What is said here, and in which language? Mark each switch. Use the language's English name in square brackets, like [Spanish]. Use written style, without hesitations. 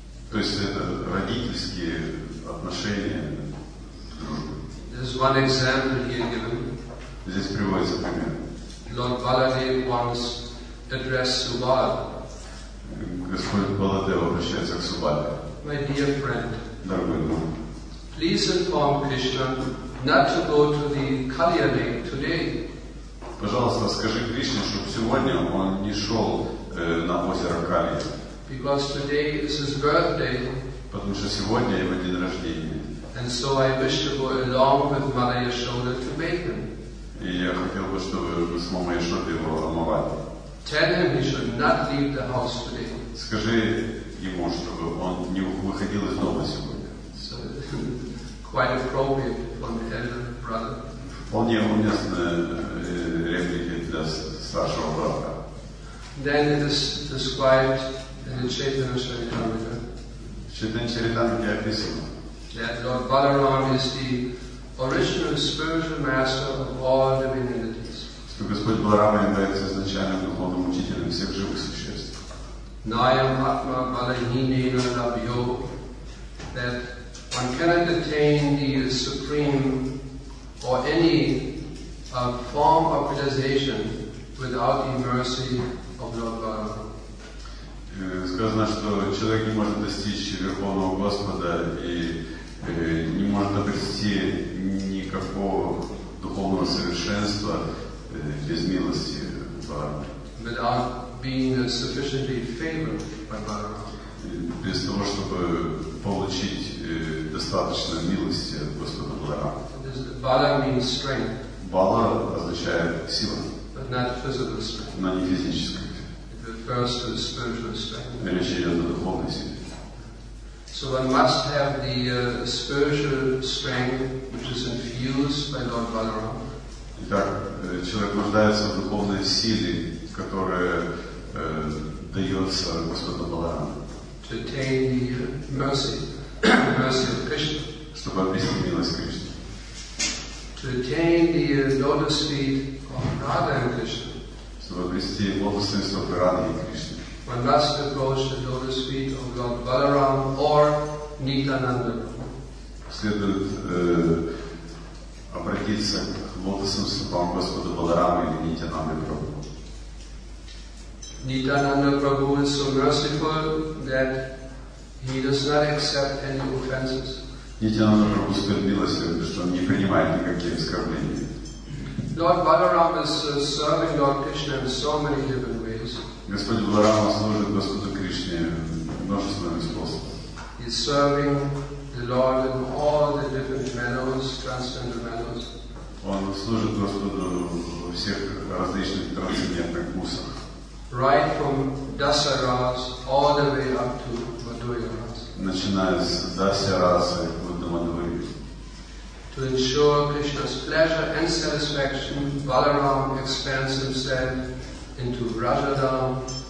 [Russian] То есть это родительские отношения. [English] There's one example here given. [Russian] Здесь приводится пример. [English] Lord Baladev once addressed Subal. [Russian] Господь Баладев обращается к Субале. [English] My dear friend. [Russian] Дорогой друг. [English] Please inform Krishna not to go to the Kalyani today. [Russian] Пожалуйста, скажи Кришне, чтобы сегодня он не шел на озеро Кали. [English] Because today is his birthday. [Russian] Потому что сегодня его день рождения. [English] And so I wish to go along with Mother Yashoda to bathe him. [Russian] И я хотел бы, чтобы вы с мамой Яшодой его омывали. [English] Tell him he should not leave the house today. [Russian] Скажи ему, чтобы он не выходил из дома сегодня. [English] So quite appropriate for the elder brother. [Russian] Вполне уместная реплика для старшего брата. [English] Then it is described. In the Chaitanya-charitamrita, that Lord Balaram is the original spiritual master of all living entities. [Russian] Что Господь Баларама является изначальным духовным учителем всех живых существ. [Sanskrit] Nayam atma balahinena labhyo, [English] that one cannot attain the supreme or any form of realization without the mercy of Lord Balaram. [Russian] Сказано, что человек не может достичь Верховного Господа и не может обрести никакого духовного совершенства без милости Бхагавана. [English] Without being sufficiently favored by Бхагавана. [Russian] Без того, чтобы получить достаточно милости от Господа Бхагавана. [English] Бала means strength. [Russian] Бала означает сила. [English] But not physical strength. [Russian] Но не физическая. [English] First is spiritual strength. So one must have the spiritual strength which is infused by Lord Balaram. [Russian] Итак, человек нуждается в духовной силе, которая дается Господом Баларамом. [English] To attain the mercy, the mercy of Krishna. [Russian] Чтобы обрести милость Кришны. [English] To attain the lotus feet of Radha and Krishna. [Russian] Чтобы обрести лотосы стоп Радхи и Кришны. [English] One must approach the lotus feet of Lord Balaram or Nityananda. [Russian] Следует обратиться к лотосным стопам Господа Баларама или Нитянанда Прабху. [English] Nityananda Prabhu is so merciful that he does not accept any offenses. [Russian] Nityananda Prabhu скорбилось, что он не принимает никаких оскорблений. [English] Lord Balaram is serving Lord Krishna in so many different ways. [Russian] Господь Баларама служит Господу Кришне множественными способами. [English] He is serving the Lord in all the different manners, transcendental manners. [Russian] Он служит Господу во всех различных трансцендентных вкусах. [English] Right from Dasaras all the way up to Madhuyaras. [Russian] Начиная с Дасарасы до Мадхуи. [English] To ensure Krishna's pleasure and satisfaction, Balaram expands himself into Rajadham.